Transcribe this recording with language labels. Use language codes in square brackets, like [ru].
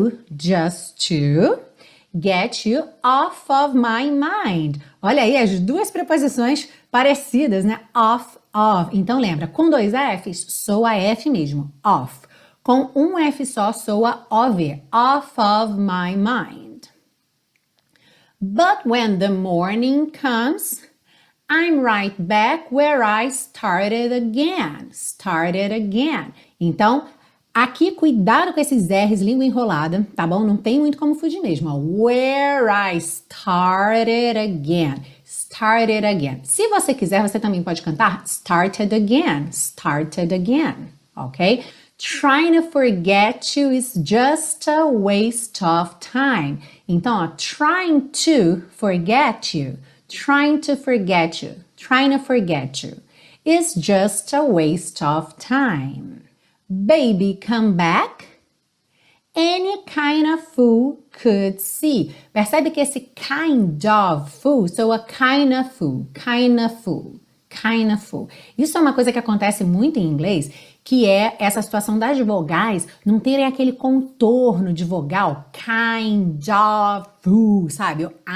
[en] Just to get you off of my mind. [pt] Olha aí as duas preposições parecidas, né? [en] Off, of. [pt] Então lembra, com dois Fs, soa F mesmo, off. Com um F só, soa OV, [en] off of my mind. But when the morning comes, I'm right back where I started again. Started again. [pt] Então, aqui, cuidado com esses R's, língua enrolada, tá bom? Não tem muito como fugir mesmo. [en] Where I started again. Started again. [pt] Se você quiser, você também pode cantar [en] started again. Started again. Ok? Trying to forget you is just a waste of time. [pt] Então, ó, [en] trying to forget you. Trying to forget you, trying to forget you, is just a waste of time. Baby, come back. Any kind of fool could see. [pt] Percebe que esse [en] kind of fool, [pt] so a [en] kind of fool, kind of fool, kind of fool. [pt] Isso é uma coisa que acontece muito em inglês, que é essa situação das vogais não terem aquele contorno de vogal, [en] kind of fool, [pt] sabe?